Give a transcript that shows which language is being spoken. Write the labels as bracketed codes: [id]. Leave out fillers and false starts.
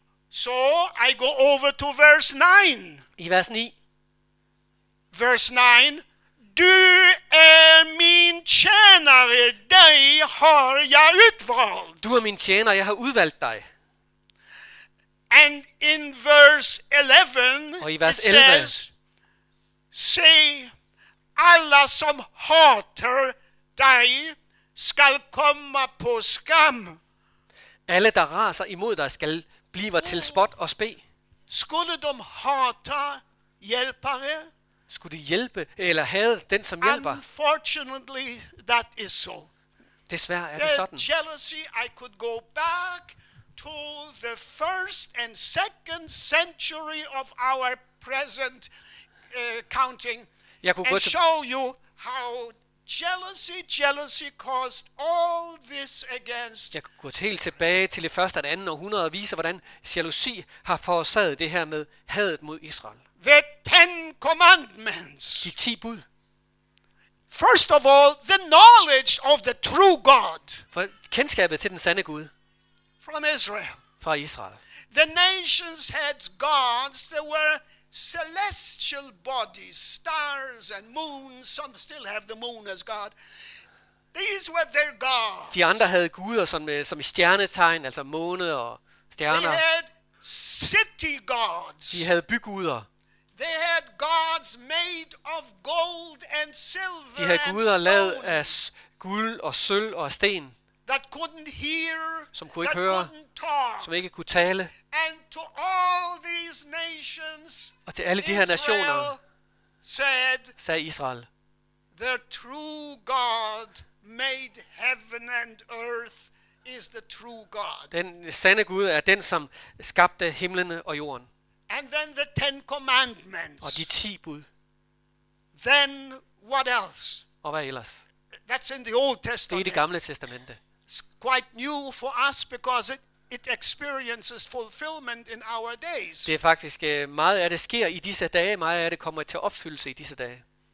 [en] So I go over to verse 9. [sv] I vers 9. [en] Verse 9. [sv] Du är min tjänare, dig har jag utvalt. Du är min tjänare, jag har utvalt dig. [en] And in verse 11, [sv] och i vers 11 [en] it says, say, [sv] alla som hatar dig ska komma på skam. Alla där rasar emot dig ska bliva till spott och spe. Skulle de hata hjälpare? Skulle de hjälpe eller hade den som hjälper? [en] Unfortunately, that is so. [da] Desværre er det sådan. [en] Jealousy, I could go back to the first and second century of our present counting and show you how jealousy caused all this against. [da] Jeg kunne gå helt tilbage til det første og det andet århundrede og vise, hvordan jalousi har forårsaget det her med hadet mod Israel. [en] The Ten Commandments. [da] De 10 bud. [en] First of all, the knowledge of the true God. [da] For kendskabet til den sande Gud. [en] From Israel. [da] Fra Israel. [en] The nations had gods that were celestial bodies, stars and moons. Some still have the moon as God. These were their gods. [da] De andre havde guder som stjernetegn, altså måne og stjerner. [en] They had city gods. [da] De havde byguder. [en] They had gods made of gold and silver. [da] De havde guder lavet af guld og sølv og sten. [en] That couldn't hear. [da] Som kunne ikke høre. Som ikke kunne tale. [en] And to all these nations. [da] Og til alle de her nationer. Sagde Israel. [en] The true God made heaven and earth is the true God. [da] Den sande Gud er den som skabte himlene og jorden. [en] And then the Ten Commandments. [da] Og de 10 bud. [en] Then what else? [da] Og hvad ellers? [en] That's in the Old Testament. [da] Det er i Det Gamle Testamente. [en] It's quite new for us because it experiences fulfillment in our days. [da] Det er faktisk meget af det sker i disse dage, meget af det kommer til opfyldelse i disse dage.